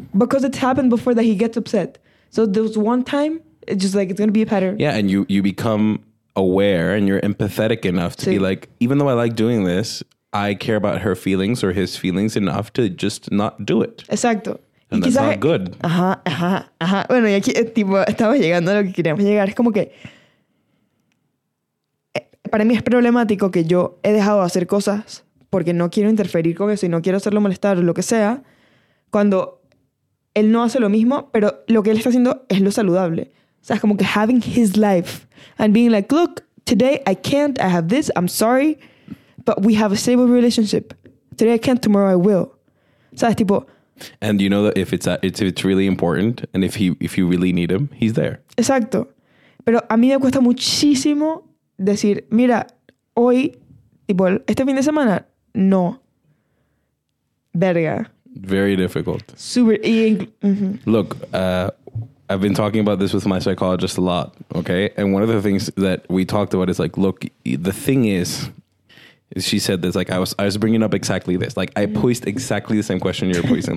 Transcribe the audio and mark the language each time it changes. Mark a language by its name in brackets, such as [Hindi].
[English] Because it's happened before that he gets upset. So there was one time, it's just like, it's going to be a pattern. Yeah, and you become aware and you're empathetic enough to be like, even though I like doing this, I care about her feelings or his feelings enough to just not do it. [Spanish] Exacto. [English] And that's not good. Ajá, ajá, ajá. [Spanish] Bueno, y aquí, tipo, estamos llegando a lo que queríamos llegar. Es como que, para mí es problemático que yo he dejado de hacer cosas porque no quiero interferir con eso y no quiero hacerlo molestar o lo que sea, cuando él no hace lo mismo, pero lo que él está haciendo es lo saludable. O sea, es como que [English] having his life and being like, look, today I can't, I have this, I'm sorry, but we have a stable relationship. Today I can't, tomorrow I will. [Spanish] O sea, es tipo... [English] And you know that if it's really important and if you really need him, he's there. [Spanish] Exacto. Pero a mí me cuesta muchísimo decir, mira, hoy, tipo, este fin de semana, no. Verga. [English] Very difficult. Super. Look, I've been talking about this with my psychologist a lot, okay? And one of the things that we talked about is like, look, the thing she said this, like, I was bringing up exactly this. Like, I posed exactly the same question you're posing.